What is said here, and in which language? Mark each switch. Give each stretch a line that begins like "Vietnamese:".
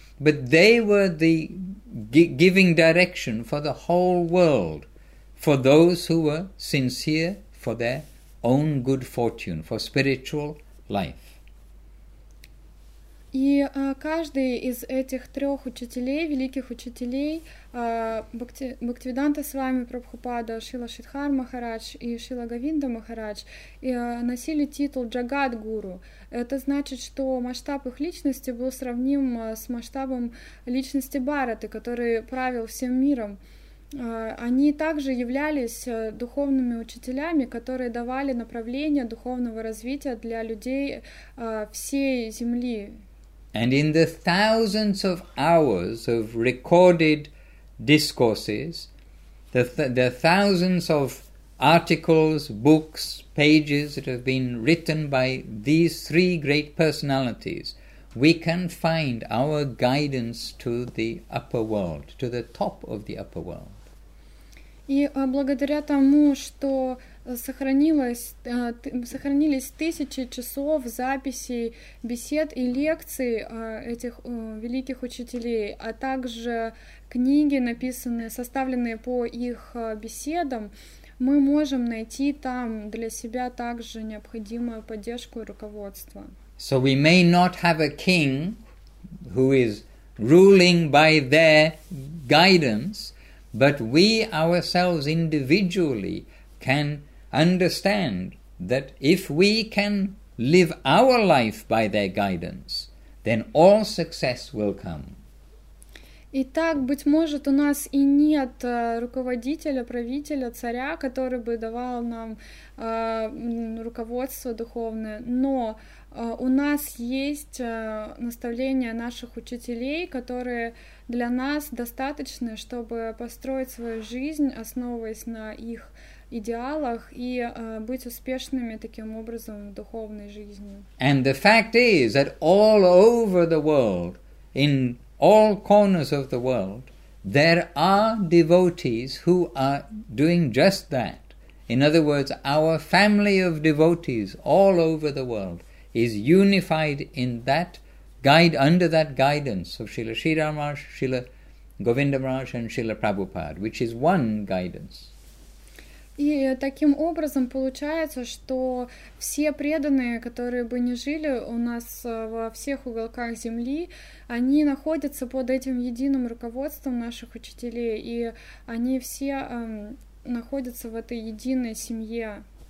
English: But they were the giving direction for the whole world, for those who were sincere for their own good fortune, for spiritual life.
Russian: И каждый из этих трех учителей, великих учителей, Бхактивиданта Свами Прабхупада, Шрила Шридхар Махарадж и Шрила Говинда Махарадж, носили титул Джагат Гуру. Это значит, что масштаб их личности был сравним с масштабом личности Бхараты, который правил всем миром. Они также являлись духовными учителями, которые давали направление духовного развития для людей всей Земли.
English: And in the thousands of hours of recorded discourses, the thousands of articles, books, pages that have been written by these three great personalities, we can find our guidance to the upper world, to the top of the upper world.
Russian: И благодаря тому, что сохранились тысячи часов записей, бесед и лекций этих великих учителей, а также книги, написанные, составленные по их беседам, мы можем найти там для себя также необходимую поддержку и руководство.
English: So we may not have a king who is ruling by their guidance, but we ourselves individually can understand that if we can live our life by their guidance, then all success will come.
Russian: Итак, быть может, у нас и нет руководителя, правителя, царя, который бы давал нам руководство духовное, но у нас есть наставления наших учителей, которые для нас достаточны, чтобы построить свою жизнь, основываясь на их идеалах и быть успешными таким образом в духовной жизни.
English: And the fact is that all over the world, in all corners of the world, there are devotees who are doing just that. In other words, our family of devotees all over the world is unified in that guide, under that guidance of Srila Sridhar Maharaj, Srila Govinda Maharaj and Srila Prabhupada, which is one guidance.
Russian: И таким образом получается, что все преданные, которые бы не жили у нас во всех уголках Земли, они находятся под этим единым руководством наших учителей, и они все находятся в этой единой семье.